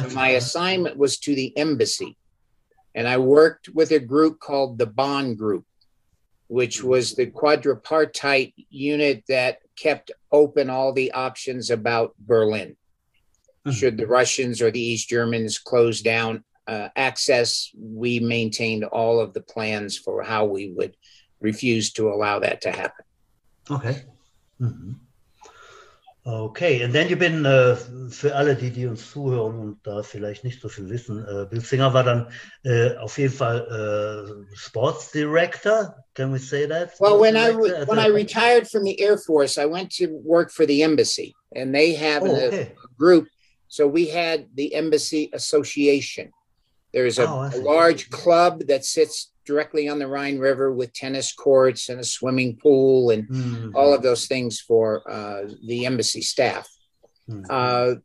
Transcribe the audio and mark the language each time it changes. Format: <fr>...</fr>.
<en>so my assignment was to the embassy. And I worked with a group called the Bonn Group, which was the quadripartite unit that kept open all the options about Berlin. Should the Russians or the East Germans close down access, we maintained all of the plans for how we would refuse to allow that to happen. Okay. Mm-hmm. Okay, and then you've been,</en> <de>für alle, die uns zuhören und da vielleicht nicht so viel wissen, Bill Singer war dann auf jeden Fall Sports Director,</de> <en>can we say that? Well, when I retired from the Air Force, I went to work for the embassy, and they have a group. So we had the Embassy Association. There's a large club that sits directly on the Rhine River with tennis courts and a swimming pool and all of those things for the embassy staff. Mm-hmm.</en>